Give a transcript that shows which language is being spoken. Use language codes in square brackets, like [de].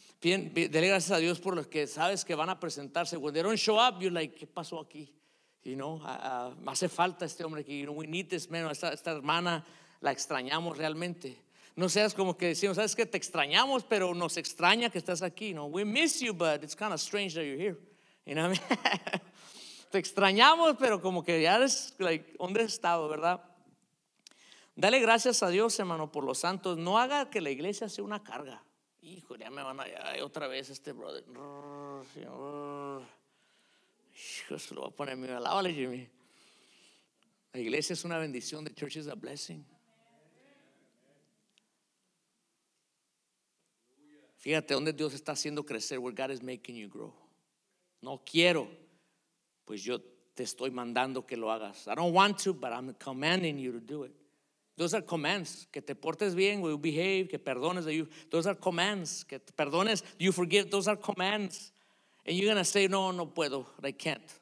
[es] Dele gracias a Dios por los que sabes que van a presentarse. [en] When they don't show up, you're like, [es] ¿qué pasó aquí? [en] You know, [es] me hace falta este hombre aquí. [en] You know, we need this man. [es] Esta hermana la extrañamos realmente. No seas como que decimos, sabes que te extrañamos, pero nos extraña que estás aquí. [en] You know, we miss you, but it's kind of strange that you're here. You know what I mean? [es] Te extrañamos, pero como que ya eres, [en] like, [es] ¿dónde has estado, verdad? Dale gracias a Dios, hermano, por los santos. No haga que la iglesia sea una carga. Híjole, ya me van a ir otra vez este brother. Hijo, se lo voy a poner mío. Alábale, Jimmy. La iglesia es una bendición. [en] The church is a blessing. [es] Fíjate dónde Dios está haciendo crecer. [en] Where God is making you grow. [es] No quiero, pues yo te estoy mandando que lo hagas. [en] I don't want to, but I'm commanding you to do it. Those are commands. [es] Que te portes bien, [en] we behave, [es] que perdones. [en] You. Those are commands. [es] Que te perdones, [en] you forgive. Those are commands. And you're going to say, no, [es] no puedo, [en] I can't.